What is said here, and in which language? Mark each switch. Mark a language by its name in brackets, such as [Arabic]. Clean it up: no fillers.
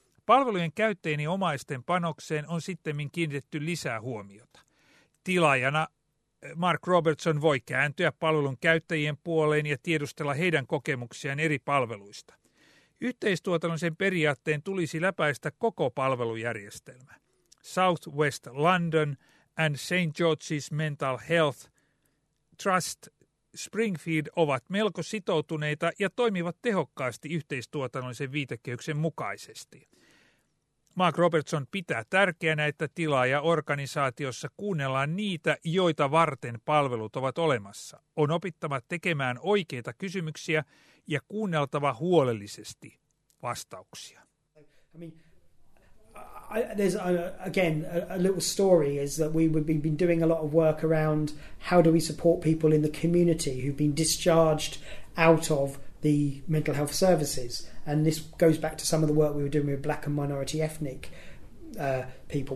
[Finnish] Palvelujen käyttäjien ja omaisten panokseen on sittemmin kiinnitetty lisää huomiota. Tilaajana Mark Robertson voi kääntyä palvelun käyttäjien puoleen ja tiedustella heidän kokemuksiaan eri palveluista. Yhteistuotannollisen periaatteen tulisi läpäistä koko palvelujärjestelmä. South West London and St. George's Mental Health Trust Springfield ovat melko sitoutuneita ja toimivat tehokkaasti yhteistuotannollisen viitekehyksen mukaisesti. Mark Robertson pitää tärkeänä, että tilaajaorganisaatiossa kuunnellaan niitä, joita varten palvelut ovat olemassa. On opittava tekemään oikeita kysymyksiä ja kuunneltava huolellisesti vastauksia. [English] I mean, there's a little story is that we've been doing a lot of work around how do we support people in the community who've been discharged out of the mental health services. And this goes back to some of the work we were doing with black and minority ethnic people.